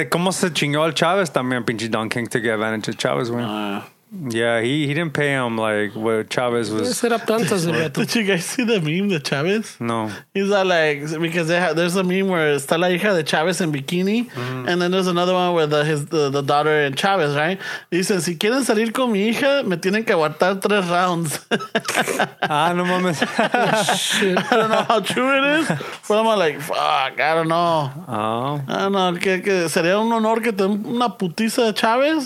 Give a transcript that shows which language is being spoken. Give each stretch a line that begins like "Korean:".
Spanish: ¿cómo se chingó al Chávez también, pinche Don King,
English: to get advantage of Chávez,
Spanish: güey?
English: Yeah, he didn't pay him like what Chavez was. Did you guys see the meme of Chavez? No. He's like, because they there's a meme where
Spanish: está la hija de Chavez en bikini.
English: Mm-hmm. And then there's another one where the daughter and Chavez, right? He says,
Spanish: si quieren salir con mi hija, me tienen que aguantar tres rounds. Ah, no mames. Oh,
English: shit. I don't know how true it is. But I'm like, fuck, I don't know. Oh. I don't know.
Spanish: ¿Que sería un honor que te den una putiza de Chavez?